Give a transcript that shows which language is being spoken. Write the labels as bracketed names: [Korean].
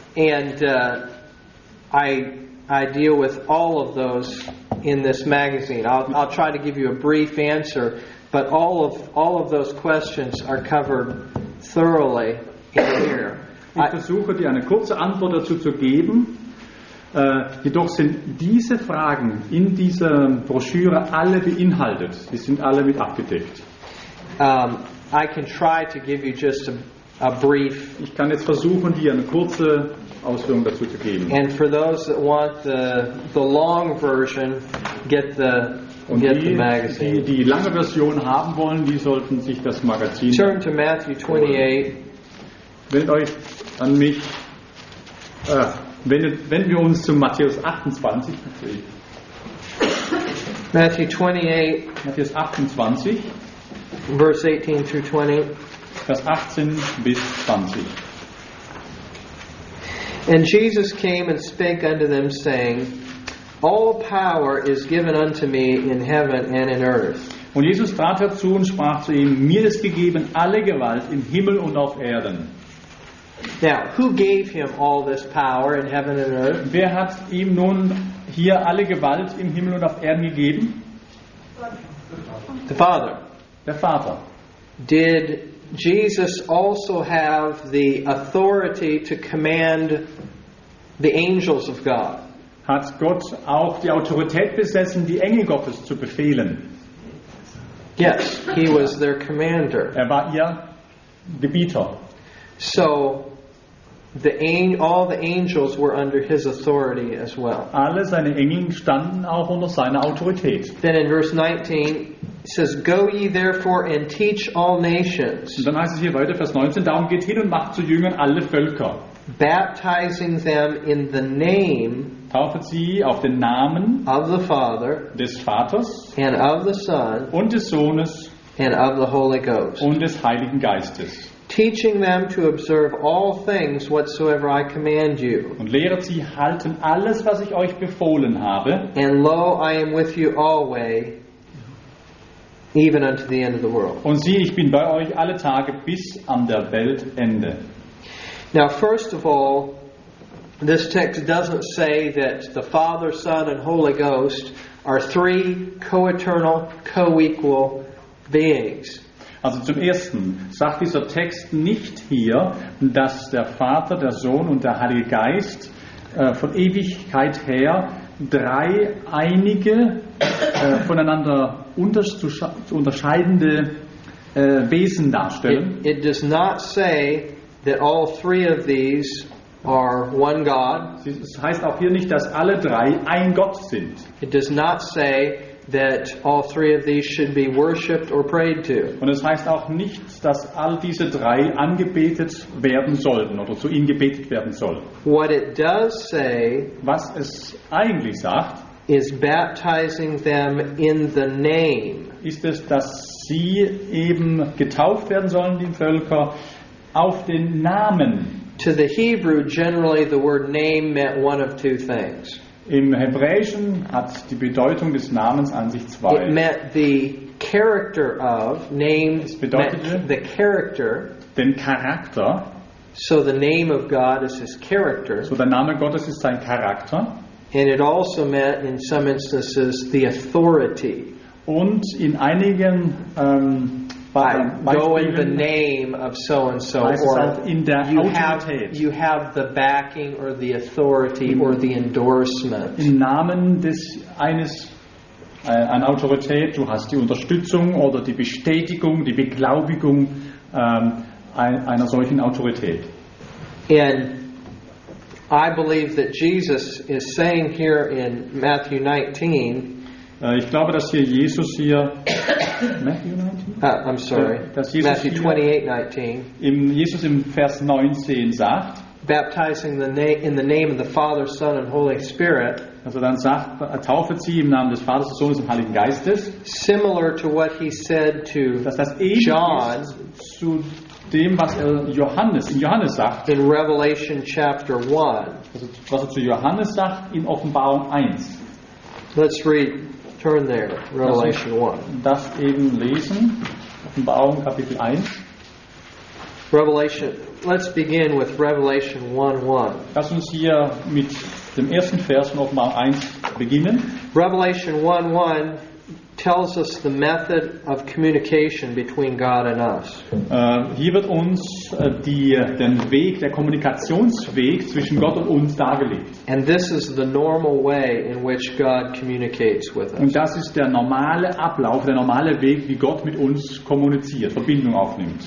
[English] And I deal with all of those in this magazine. I'll try to give you a brief answer, but all of those questions are covered thoroughly in here. [German] Ich versuche dir eine kurze Antwort dazu zu geben. Jedoch sind diese Fragen in dieser Broschüre alle beinhaltet. Sie sind alle mit abgedeckt. [English] I can try to give you just a brief. [German] Ich kann jetzt versuchen, dir eine kurze Ausführung dazu zu geben. [English] And for those that want the long version, get the [German] Und [English] get [German] die, [English] the magazine. [German] Die die lange Version haben wollen, die sollten sich das Magazin. [English] Turn to Matthew 28. [German] Wendet euch an mich. Wenden wir uns zu Matthäus 28. Matthäus 28. [English] Verse 18 through 20. [German] Vers 18 bis 20. [English] And Jesus came and spake unto them, saying, All power is given unto me in heaven and in earth. [German] Und Jesus trat herzu und sprach zu ihm, Mir ist gegeben alle Gewalt im Himmel und auf Erden. [English] Now, who gave him all this power in heaven and earth? [German] Wer hat ihm nun hier alle Gewalt im Himmel und auf Erden gegeben? [English] The Father. [German] Der Vater. [English] Did Jesus also have the authority to command the angels of God? [German] Hat Gott auch die Autorität besessen, die Engel Gottes zu befehlen? [English] Yes, he was their commander. [German] Er war ihr Gebieter. [English] So, all the angels were under his authority as well. [German] Alle seine Engel standen auch unter seiner Autorität. [English] Then in verse 19, it says, Go ye therefore and teach all nations. [German] Und dann heißt es hier weiter, Vers 19, Darum geht hin und macht zu Jüngern alle Völker. [English] Baptizing them in the name [German] Taufet sie auf den Namen [English] of the Father [German] des Vaters [English] and of the Son [German] und des Sohnes [English] and of the Holy Ghost. [German] Und des Heiligen Geistes. [English] Teaching them to observe all things whatsoever I command you. [German] Und lehret sie halten alles, was ich euch befohlen habe. [English] And lo, I am with you always, even unto the end of the world. [German] Und siehe, ich bin bei euch alle Tage bis an der Weltende. [English] Now, first of all, this text doesn't say that the Father, Son, and Holy Ghost are three co-eternal, co-equal beings. [German] Also zum Ersten sagt dieser Text nicht hier, dass der Vater, der Sohn und der Heilige Geist von Ewigkeit her drei einige, voneinander unterscheidende Wesen darstellen. [English] It does not say that all three of these are one God. [German] Es heißt auch hier nicht, dass alle drei ein Gott sind. [English] It does not say that all three of these should be worshipped or prayed to. [German] Und es heißt auch nicht, dass all diese drei angebetet werden sollten oder zu ihnen gebetet werden sollen. [English] What it does say, [German] was es eigentlich sagt, [English] is baptizing them in the name. [German] Ist es, dass sie eben getauft werden sollen, die Völker, auf den Namen. [English] To the Hebrew, generally the word name meant one of two things. [German] Im Hebräischen hat die Bedeutung des Namens an sich zwei. [English] It meant the character of, name meant the character. [German] Den Charakter. [English] So the name of God is his character. [German] So der Name Gottes ist sein Charakter. [English] And it also meant, in some instances, the authority. [German] Und in einigen [English] By going the name of so and so, [German] or in der Autorität. [English] You have the backing or the authority or the endorsement. [German] Im Namen des eines an Autorität, du hast die Unterstützung oder die Bestätigung, die Beglaubigung einer solchen Autorität. [English] And I believe that Jesus is saying here in Matthew 19. [German] Ich glaube, dass hier Jesus hier Matthew 19? [English] I'm sorry. Matthew 28:19. [German] Im Jesus im Vers 19 sagt, [English] baptizing the in the name of the Father, Son and Holy Spirit. [German] Also dann sagt, tauft sie im Namen des Vaters, des Sohnes und Heiligen Geistes. [English] Similar to what he said to John, [German] zu dem, was er Johannes in Johannes sagt. [English] In Revelation chapter 1. [German] Also was er zu Johannes sagt in Offenbarung 1. [English] Let's read. Turn there, Revelation 1. [German] Das eben lesen, Offenbarung Kapitel 1. [English] Revelation, let's begin with Revelation 1:1. [German] Lass uns hier mit dem ersten Vers von Offenbarung 1 beginnen. [English] Revelation 1:1 tells us the method of communication between God and us. [German] Hier wird uns den Weg, der Kommunikationsweg zwischen Gott und uns dargelegt. [English] And this is the normal way in which God communicates with us. [German] Und das ist der normale Ablauf, der normale Weg, wie Gott mit uns kommuniziert, Verbindung aufnimmt.